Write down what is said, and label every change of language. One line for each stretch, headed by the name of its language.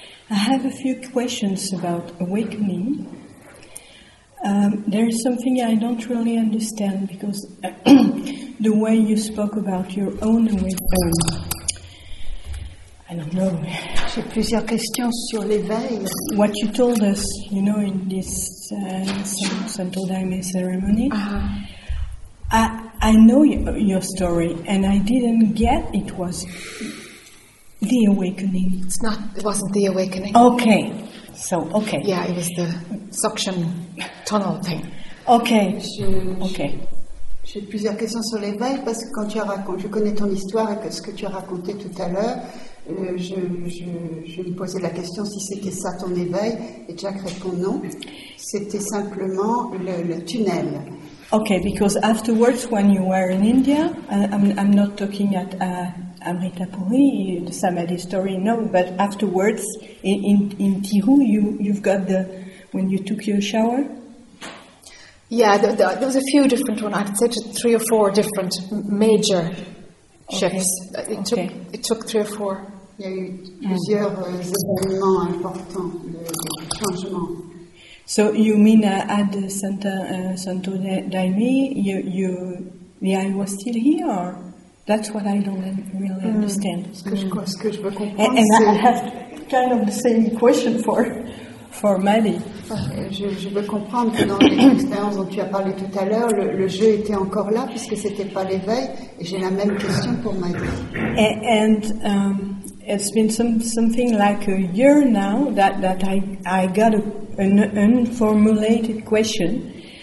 English: I have a few questions about awakening. There is something I don't really understand, because the way you spoke about your own awakening, I don't know.
French: J'ai plusieurs questions sur l'éveil.
English: What you told us, you know, in this Santo Daime ceremony, I know your story, and I didn't get it was the awakening. It's not. It wasn't the awakening. Okay. So, okay. Yeah, it was the suction tunnel thing. Okay.
French: J'ai plusieurs questions sur l'éveil, parce que quand tu as raconté, je connais ton histoire et que ce que tu as raconté tout à l'heure, je me posais la question si c'était ça ton éveil, et Jack répond non. C'était simplement le tunnel.
English: Okay, because afterwards, when you were in India, I'm not talking at Amrita Puri, the Samadhi story, no, but afterwards, in Tihu, you've got the, when you took your shower? Yeah, there was a few different ones. I'd say three or four different major shifts. Okay. It took three or four.
French: Il y a eu plusieurs événements importants, le changement.
English: So you mean at the Santo Daime, the eye was still here, or? That's what I don't really understand. And I have kind of the same question for Maddie.
French: Je veux comprendre que dans les expériences dont tu as parlé tout à l'heure, le jeu était encore là puisque c'était pas l'éveil. Et j'ai la même question pour Maddie.
English: It's been something like a year now that I got an unformulated question.